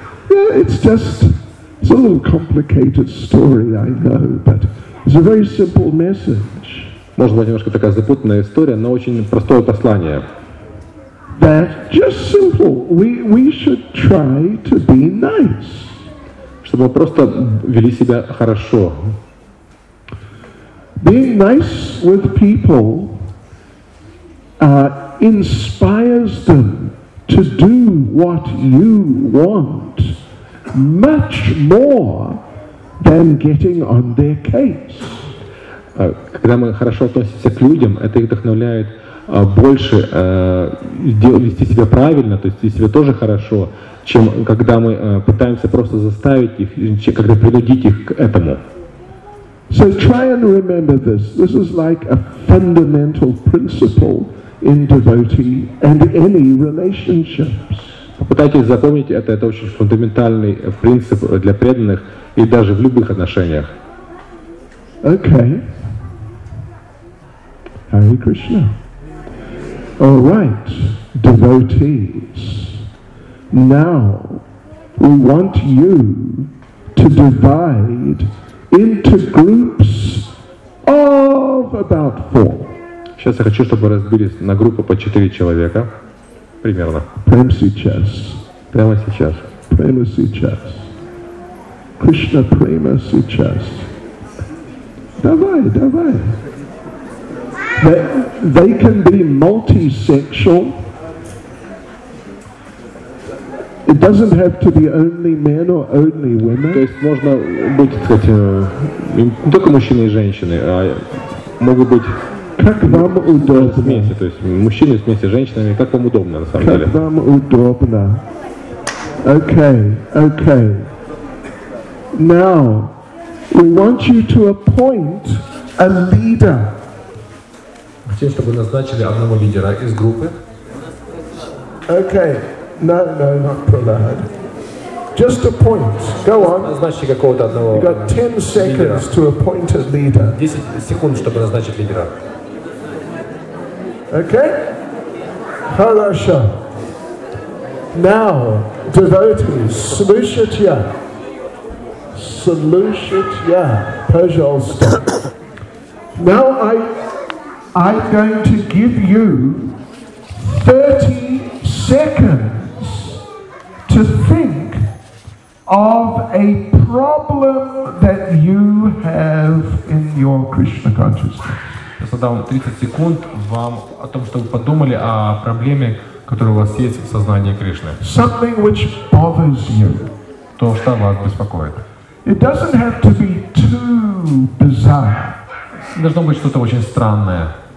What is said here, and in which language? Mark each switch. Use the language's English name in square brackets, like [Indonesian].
[English] Yeah, it's just it's a little complicated story, I know, but it's a very simple message. [Russian] Может быть, немножко такая запутанная история, но очень простое послание. [English] That just simple. We should try to be nice. [Russian] Чтобы просто вели себя хорошо. [English] Being nice with people inspires them to do what you want much more than getting on their case. [Russian] Когда мы хорошо относимся к людям, это их вдохновляет больше вести себя правильно, то есть вести себя тоже хорошо, чем когда мы пытаемся просто заставить их, когда принудить их к этому. [English] So try and remember this. This is like a fundamental principle in devotee and any relationships. [Russian] Попытайтесь запомнить это очень фундаментальный принцип для преданных и даже в любых отношениях. [English] Okay. Hare Krishna. All right, devotees. Now we want you to divide into groups of about four. [Russian] Сейчас я хочу, чтобы разбились на группы по 4 человека, примерно. Прямо сейчас. Прямо сейчас. Прямо сейчас. Кришна, прямо сейчас. Давай, давай. [English] They can be multi-sexual. It doesn't have to be only men or only women. [Russian] То есть можно быть, так сказать, не только мужчины и женщины, а могут быть. Как вам удобно. Вместе, то есть мужчины вместе с женщинами, как вам удобно на самом деле. Как вам удобно. [English] Okay, okay. Now we want you to appoint a leader. [Russian] Хотим, чтобы назначили одного лидера из группы. [English] Okay. No, no, not Prahlad. Just appoint. Go on. [Russian] Назначьте какого-то одного. [English] You got 10 seconds [Russian] лидера. [English] To appoint a leader. [Russian] 10 секунд, чтобы назначить лидера. [English] Okay. [Russian] Хорошо. [English] Now, devotees, [Russian] слушайте. Слушайте. Пожалуйста. [English] Now I'm going to give you 30 seconds to think of a problem that you have in your Krishna consciousness. [Russian] Я задам 30 секунд вам о том, чтобы подумали о проблеме, которая у вас есть в сознании Кришны. [English] Something which bothers you. [Russian] То, что вас беспокоит. [English] It doesn't have to be too bizarre. [Russian] Не должно быть что-то очень странное.